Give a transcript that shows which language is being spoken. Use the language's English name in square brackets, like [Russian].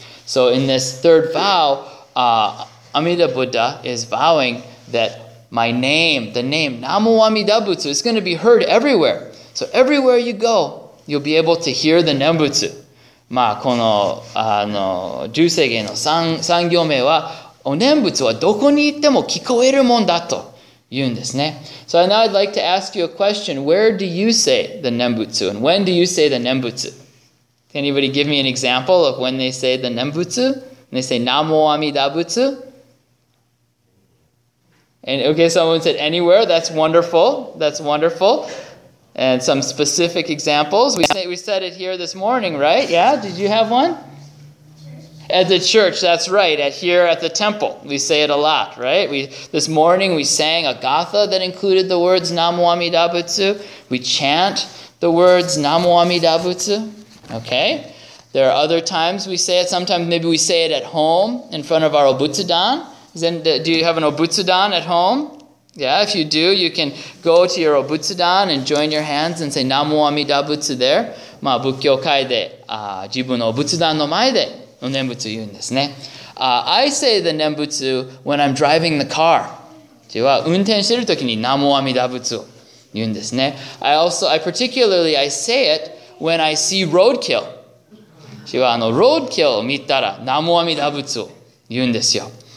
[English] So in this third vow, Amida Buddha is vowing that my name, the name Namo Amida Butsu, is going to be heard everywhere. So everywhere you go, you'll be able to hear the Nembutsu. [Japanese] まあ、この、あの、十世紀の三行目は、お念仏はどこに行っても聞こえるもんだと言うんですね。 [English] So now I'd like to ask you a question. Where do you say the Nembutsu? And when do you say the Nembutsu? Can anybody give me an example of when they say the Nembutsu? And they say, Namo Amida Butsu? And, okay, someone said anywhere. That's wonderful. That's wonderful. And some specific examples. We said it here this morning, right? Yeah, did you have one? At the church, that's right. At here at the temple, we say it a lot, right? This morning we sang a gatha that included the words Namo Amida Butsu. We chant the words Namo Amida Butsu. Okay? There are other times we say it. Sometimes maybe we say it at home in front of our obutsudan. Do you have an obutsudan at home? Yeah, if you do, you can go to your obutsudan and join your hands and say Namo Amida Butsu there. [Japanese] まあ、仏教界で、自分のお仏壇の前でお念仏言うんですね。 [English] I say the 念仏 when I'm driving the car. [Japanese] 自分は運転してるときに Namo Amida Butsu 言うんですね。 [English] I particularly say it when I see roadkill. [Japanese] 自分はあの、roadkill を見たら Namo Amida Butsu 言うんですよ。